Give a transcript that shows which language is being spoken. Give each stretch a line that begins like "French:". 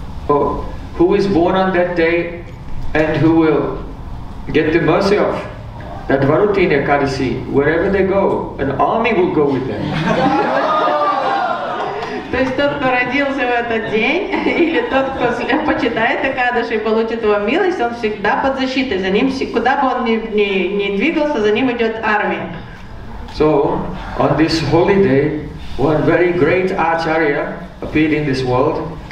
English: Oh, who is born on that day and who will get the mercy of that varutini kadasi? Wherever they go, an army will go with them.
Russian: То есть тот, кто родился в этот день, или тот, кто почитает Экадаши и получит его милость, он всегда под защитой. За ним, куда бы он ни двигался, за ним идет армия.
English: So, on this holy day, one very great acharya appeared in this world.